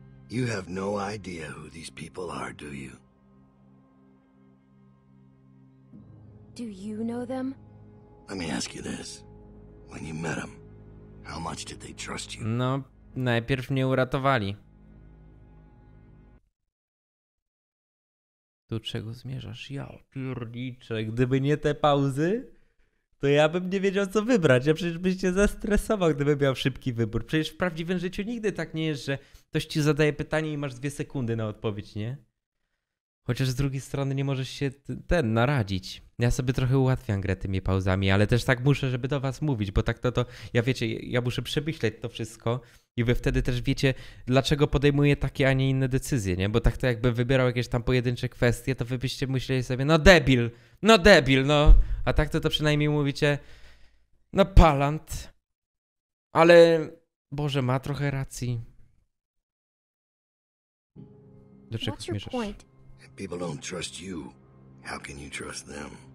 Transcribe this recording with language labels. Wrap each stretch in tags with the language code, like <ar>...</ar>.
<en>You have no idea who these people are, do you? Do you know them? Let me ask you this. When you met them, how much did they trust you?</en> <pl>No, najpierw mnie uratowali. Do czego zmierzasz? Ja pierniczę. Gdyby nie te pauzy, to ja bym nie wiedział, co wybrać. Ja przecież byś się zestresował, gdybym miał szybki wybór. Przecież w prawdziwym życiu nigdy tak nie jest, że ktoś ci zadaje pytanie i masz 2 sekundy na odpowiedź, nie? Chociaż z drugiej strony nie możesz się ten naradzić. Ja sobie trochę ułatwiam grę tymi pauzami, ale też tak muszę, żeby do was mówić, bo tak to ja wiecie, ja muszę przemyśleć to wszystko i wy wtedy też wiecie, dlaczego podejmuję takie, a nie inne decyzje, nie? Bo tak to jakbym wybierał jakieś tam pojedyncze kwestie, to wy byście myśleli sobie, no debil, no debil, no. A tak to przynajmniej mówicie, no palant. Ale, Boże, ma trochę racji. Dlaczego zmierzasz?</pl> <en>If people don't trust you, how can you trust them?</en>